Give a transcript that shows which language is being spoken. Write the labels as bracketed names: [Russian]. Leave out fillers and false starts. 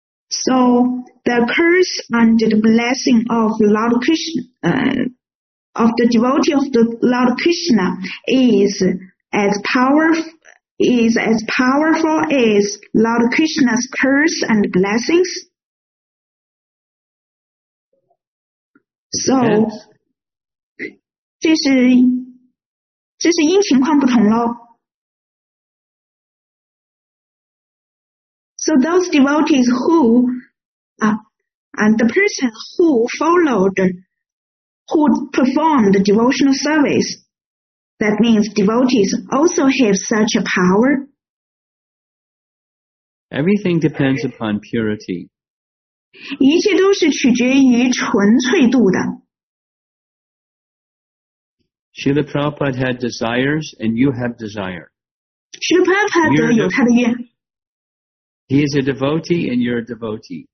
[English] So,the curse and the blessing of Lord Krishna, of the devotee of the Lord Krishna is as power, is as powerful as Lord Krishna's curse and blessings. [Chinese] So, 这是因情况不同咯。 [English] So those devotees who, and the person who followed, who performed the devotional service, that means devotees also have such a power. Everything depends upon purity. [Chinese] 一切都是取决于纯粹度的。 [English] Srila Prabhupada had desires and you have desire. [Chinese] Srila Prabhupada 有他的愿。 [English] He is a devotee and you're a devotee.